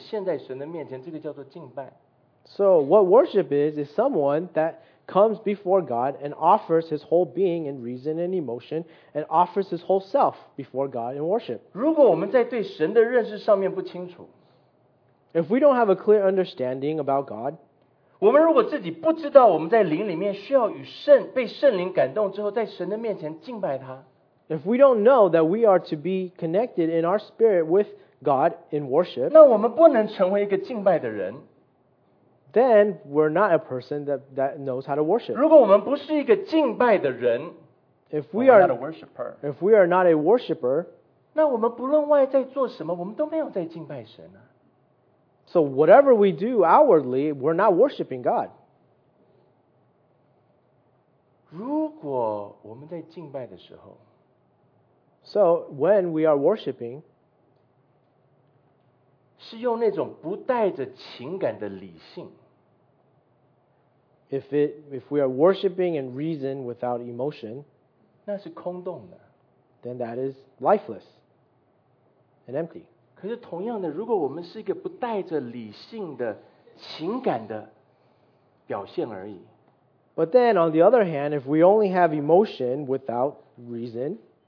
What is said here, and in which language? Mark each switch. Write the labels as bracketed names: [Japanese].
[Chinese] 一个人对神的敬拜是我们整个人，从我们的理性，从我们的感性，我们全人被神得着，我们现在神的面前，这个叫做敬拜。 [English] So what worship is someone that comes before God and offers his whole being and reason and emotion and offers his whole self before God in worship. [Chinese] 如果我们在对神的认识上面不清楚， [English] If we don't have a clear understanding about God, [Chinese] 我们如果自己不知道我们在灵里面需要与圣被圣灵感动之后在神的面前敬拜他， [English] If we don't know that we are to be connected in our spirit with God in worship, [Chinese] 那我们不能成为一个敬拜的人。 [English] Then we're not a person that knows how to worship. [Chinese] 如果我们不是一个敬拜的人， [English] If we are not a worshiper, [Chinese] 那我们不论外在做什么，我们都没有在敬拜神啊。 [English] So whatever we do outwardly, we're not worshiping God. [Chinese] 如果我们在敬拜的时候， [English] So when we are worshiping, [Chinese] 是用那种不带着情感的理性。 [English] If we are worshiping in reason without emotion, [Chinese] 那是空洞的, [English] then that is lifeless and empty. [Chinese] 可是同样的, 如果我们是一个不带着理性的情感的表现而已, [English] but then on the other hand, if we only have emotion without reason,